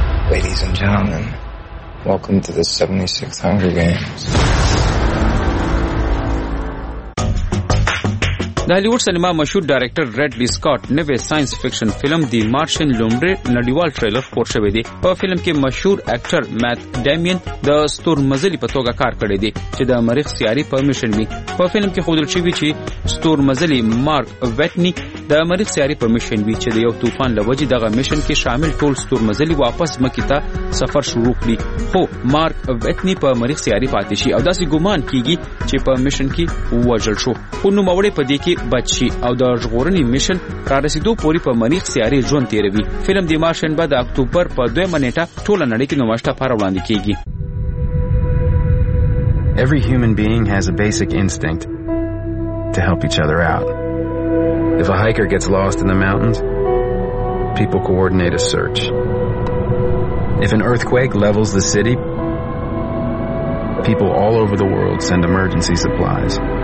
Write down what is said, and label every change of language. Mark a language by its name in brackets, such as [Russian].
[English] Ladies and gentlemen, welcome to the 76th Hunger Games. [Pashto] د هالیوډ سینما مشهور ډایرکټر ریډلی سکاٹ نوې ساينس فکشن فلم دی مارشن لومبري نړیوال ټریلر خپور شوی دی. په فلم کې مشهور اکټر میت ډیمین د ستورمزلي په توګه کار کړی دی چې د مریخ سیارې په مشن وي. په فلم کې ښودل شوی چې ستورمزلي مارک ویټنی د مریخ سیارې په مشن وي چې د یو طوفان له وجې دغه مشن کې شامل ټول ستورمزلي واپس مکې ته سفر شروع کړي، خو مارک ویټنی په مریخ سیارې پاتې شي او داسې ګمان کیږي چې په مشن کې وژل شو. خو نوموړی په دې بچی او د ژغورنې مشن را رسیدو پورې په مریخ سیارې ژوند تیروي. فلم د مارشن به د اکتوبر په 2 نیټه ټوله نړۍ کې نمایشته پر وړاندې کیږي. [English] Every human being has a basic instinct to help each other out. If a hiker gets lost in the mountains, people coordinate a search. If an earthquake levels the city, people all over the world send emergency supplies.